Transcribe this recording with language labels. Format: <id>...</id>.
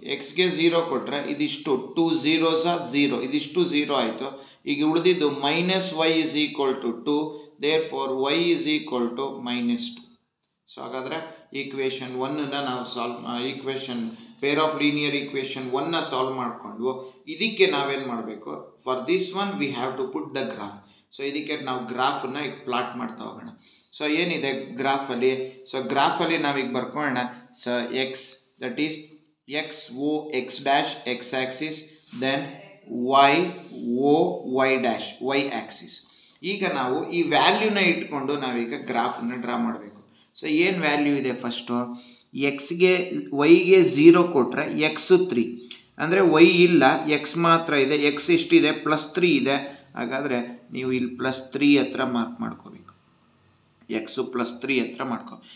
<kn>ಎಕ್ಸ್ಗೆ 0 ಕೊಟ್ಟರೆ ಇದಿಷ್ಟು</kn> <en>2 0s are 0,</en> <kn>ಇದಿಷ್ಟು 0 ಆಯಿತು. ಈಗ ಉಳಿದಿದ್ದು -y = 2,</kn> <en>therefore y = -2.</en> <kn>ಸೊ ಹಾಗಾದರೆ ಈಕ್ವೇಷನ್ ಒನ್ನ ನಾವು solve pair of linear equation ಒನ್ನ solve ಮಾಡಿಕೊಂಡು ಇದಕ್ಕೆ ನಾವೇನು ಮಾಡಬೇಕು?</kn> <en>For this one we have to put the graph.</en> <kn>So ಇದಕ್ಕೆ ನಾವು ಗ್ರಾಫನ್ನು ಈಗ ಪ್ಲಾಟ್ ಮಾಡ್ತಾ ಹೋಗೋಣ. ಸೊ ಏನಿದೆ ಗ್ರಾಫಲ್ಲಿ? ಸೊ ಗ್ರಾಫಲ್ಲಿ ನಾವೀಗ ಬರ್ಕೊಳ್ಳೋಣ.</kn> <en>So x, that is x o x - x axis, then y o y - y axis.</en> <kn>ಈಗ ನಾವು ಈ ವ್ಯಾಲ್ಯೂನ ಇಟ್ಕೊಂಡು ನಾವೀಗ ಗ್ರಾಫನ್ನು ಡ್ರಾ ಮಾಡಬೇಕು. ಸೊ ಏನು ವ್ಯಾಲ್ಯೂ ಇದೆ? ಫಸ್ಟು ಎಕ್ಸ್ಗೆ ವೈಗೆ 0 ಕೊಟ್ಟರೆ ಎಕ್ಸ್ 3, ಅಂದರೆ ವೈ ಇಲ್ಲ, ಎಕ್ಸ್ ಮಾತ್ರ ಇದೆ. ಎಕ್ಸ್ ಎಷ್ಟಿದೆ? +3 ಇದೆ. ಹಾಗಾದರೆ ನೀವು ಇಲ್ಲಿ +3 ಹತ್ರ ಮಾರ್ಕ್ ಮಾಡ್ಕೋಬೇಕು. ಎಕ್ಸು +3 ಹತ್ರ ಮಾಡ್ಕೊ.</kn>